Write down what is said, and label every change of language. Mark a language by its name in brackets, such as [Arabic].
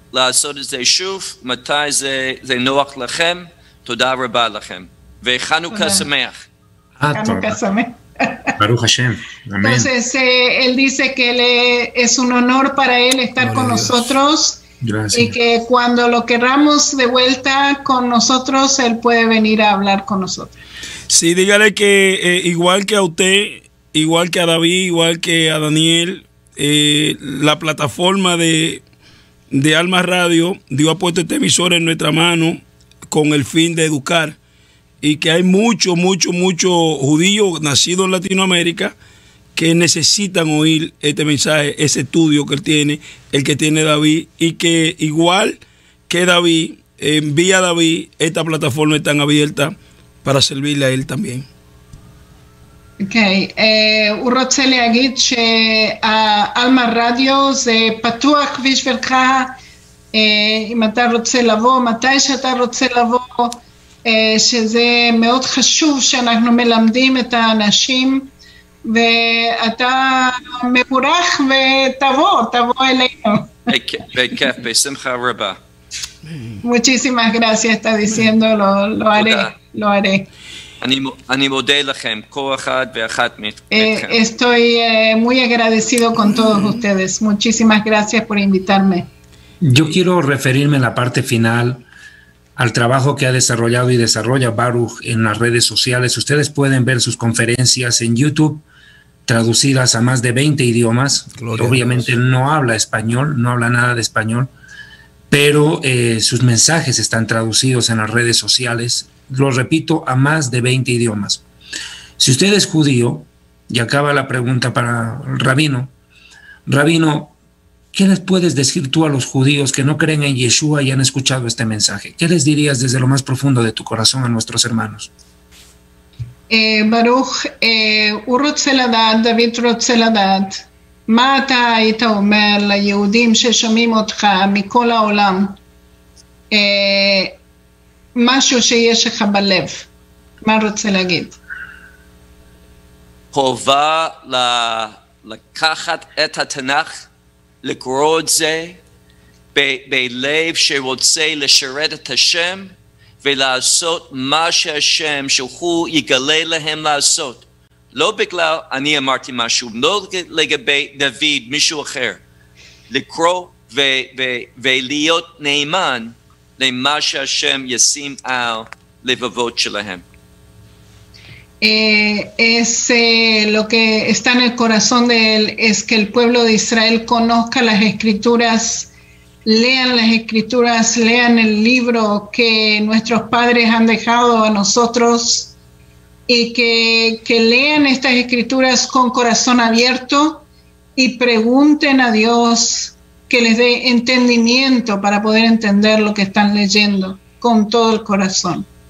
[Hebrew] לעשות את זה שוב, מתי זה נוח לכם, תודה רבה לכם. וחנוכה שמח. חנוכה שמח. ברוך השם, אמן. [Spanish] Entonces, él dice que es un honor para él estar con nosotros. Gracias. Y que cuando lo queramos de vuelta con nosotros, él puede venir a hablar con nosotros. Sí, dígale que igual que a usted, igual que a David, igual que a Daniel, la plataforma de Alma Radio, Dios ha puesto este emisor en nuestra mano con el fin de educar, y que hay mucho judío nacido en Latinoamérica que necesitan oír este mensaje, ese estudio que él tiene, el que tiene David, y que igual que David, envía a David, esta plataforma está abierta para servirle a él también. [Hebrew] Okay, הוא רוצה להגיד שהאלמה רדיו זה פתוח בשבילך, אם אתה רוצה לבוא, מתי שאתה רוצה לבוא, שזה מאוד חשוב שאנחנו מלמדים את האנשים, ואתה מבורך ותבוא אלינו. בכיף, בשמחה רבה. [Spanish] Muchísimas gracias, está diciendo, lo haré. [Hebrew] אני מודה לכם, כל אחד ואחת מכם. [Spanish] Estoy muy agradecido con todos ustedes. Muchísimas gracias por invitarme. Yo quiero referirme en la parte final al trabajo que ha desarrollado y desarrolla Baruch en las redes sociales. Ustedes pueden ver sus conferencias en YouTube, traducidas a más de 20 idiomas. Gloria. Obviamente no habla español, no habla nada de español, pero sus mensajes están traducidos en las redes sociales. Lo repito, a más de 20 idiomas. Si usted es judío, y acaba la pregunta para el rabino, rabino, ¿qué les puedes decir tú a los judíos que no creen en Yeshua y han escuchado este mensaje? ¿Qué les dirías desde lo más profundo de tu corazón a nuestros hermanos? [Hebrew] Baruch, urotzeladat, David urotzeladat, ma'ata ita omer la yehudim sheshomim otcha mikol haolam, משהו שיש לך בלב, מה רוצה להגיד? חובה לקחת את התנ"ך, לקרוא את זה בלב שרוצה לשרת את השם ולעשות מה שהשם שהוא יגלה להם לעשות. לא בגלל אני אמרתי משהו, לא לגבי דוד, מישהו אחר. לקרוא ולהיות נאמן למה שהשם ישים על לבבות שלהם. [Spanish] Es lo que está en el corazón de él, es que el pueblo de Israel conozca las escrituras, lean las escrituras, lean el libro que nuestros padres han dejado a nosotros, y que lean estas escrituras con corazón abierto y pregunten a Dios que les dé entendimiento para poder entender lo que están leyendo con todo el corazón.